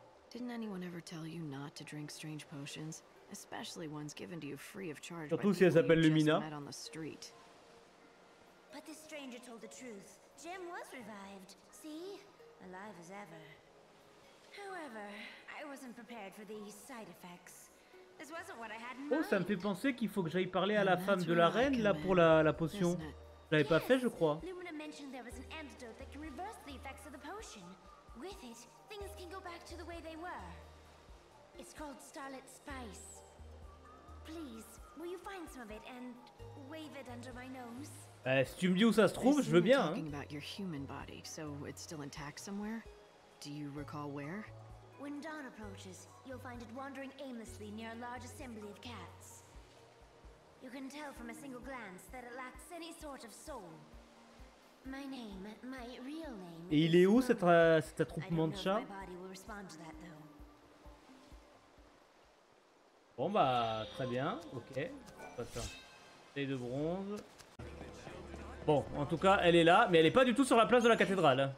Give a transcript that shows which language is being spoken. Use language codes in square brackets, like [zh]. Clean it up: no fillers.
[en] Didn't anyone ever tell you not to drink strange potions? Especially ones given to you free of charge by people you just Lumina. Met on the street. But this stranger told the truth. Jem was revived. See? Alive as ever. However, I wasn't prepared for these side effects. This wasn't what I had in mind. [fr] Oh, ça me fait penser qu'il faut que j'aille parler à la femme de la reine, là, pour la potion. Je l'avais pas fait, je crois. [en] Lumina mentioned there was an antidote that can reverse the effects of the potion. With it, things can go back to the way they were. It's called Starlit Spice. Please, will you find some of it and wave it under my nose? [fr] Si tu me dis où ça se trouve, je veux bien. Hein. [en] Talking about your human body, so it's still intact somewhere. Do you recall where? When dawn approaches, you'll find it wandering aimlessly near a large assembly of cats. You can tell from a single glance that it lacks any sort of soul. My name, my real name. [fr] Et il est où cet attroupement de chats? [en] My body will respond to that, though. [fr] Bon bah très bien, ok. Clé de bronze. Bon, en tout cas, elle est là, mais elle est pas du tout sur la place de la cathédrale.